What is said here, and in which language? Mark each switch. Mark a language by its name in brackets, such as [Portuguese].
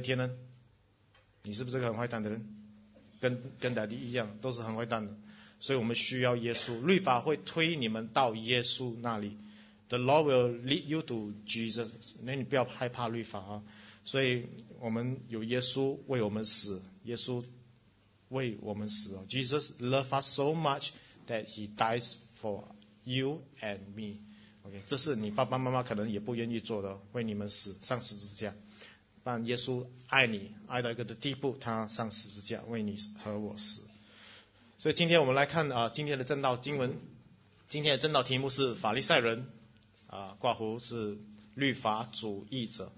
[Chinese] 天恩，你是不是个很坏蛋的人？跟大地一样，都是很坏蛋的。所以我们需要耶稣，律法会推你们到耶稣那里。 [English] The law will lead you to Jesus. [Chinese] 那你不要害怕律法啊！所以我们有耶稣为我们死，耶稣为我们死哦。 [English] Jesus loved us so much that he dies for you and me. [Chinese] OK, 这是你爸爸妈妈可能也不愿意做的，为你们死，上十字架。但耶稣爱你，爱到一个的地步，他上十字架为你和我死。所以今天我们来看今天的正道经文。今天的正道题目是法利赛人挂乎是律法主义者。